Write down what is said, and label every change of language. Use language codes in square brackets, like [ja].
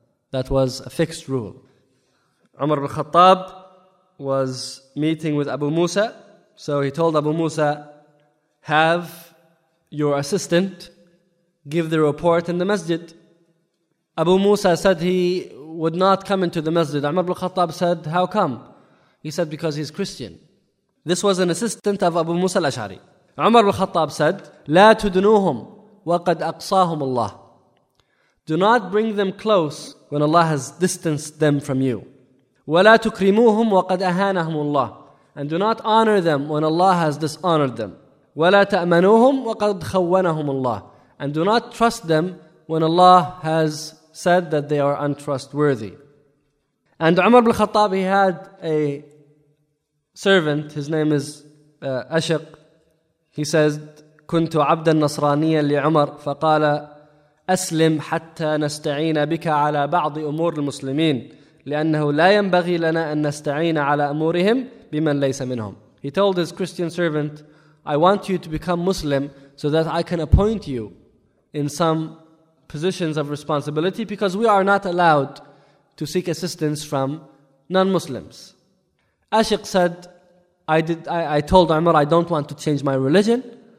[en] That was a fixed rule. Umar ibn Khattab was meeting with Abu Musa, so he told Abu Musa, have your assistant give the report in the masjid. Abu Musa said he would not come into the masjid. Umar ibn Khattab said, how come? He said, because he's Christian. This was an assistant of Abu Musa al-Ash'ari. Umar al-Khattab said, [ar] لا تدنوهم وقد أقصاهم الله. [en] Do not bring them close when Allah has distanced them from you. [ar] ولا تكرموهم وقد أهانهم الله. [en] And do not honor them when Allah has dishonored them. [ar] ولا تأمنوهم وقد خونهم الله. [en] And do not trust them when Allah has said that they are untrustworthy. And Umar al-Khattab, he had a servant, his name is Ashiq. He says, [ar] كنت عبدا نصرانيا لعمر فقال أسلم حتى نستعين بك على بعض أمور المسلمين لأنه لا ينبغي لنا أن نستعين على أمورهم بمن ليس منهم. [en] He told his Christian servant, I want you to become Muslim so that I can appoint you in some positions of responsibility because we are not allowed to seek assistance from non-Muslims. Ashiq said, I told Umar, I don't want to change my religion.